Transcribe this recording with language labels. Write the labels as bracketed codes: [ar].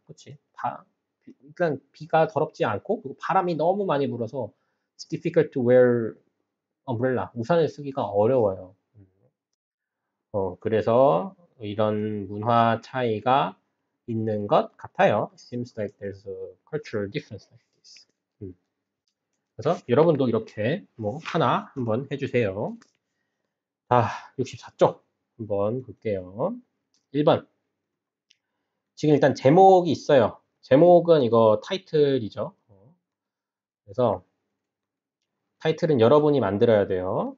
[ko] 그치? 일단 비가 더럽지 않고 그리고 바람이 너무 많이 불어서 [en] It's difficult to wear umbrella. [ko] 우산을 쓰기가 어려워요. 그래서 이런 문화 차이가 있는 것 같아요. [en] Seems like there's a cultural difference like this. [ko] 그래서 여러분도 이렇게 뭐 하나 한번 해주세요. 자, 64쪽 한번 볼게요. 1번. 지금 일단 제목이 있어요. 제목은 이거 타이틀이죠. 그래서 타이틀은 여러분이 만들어야 돼요.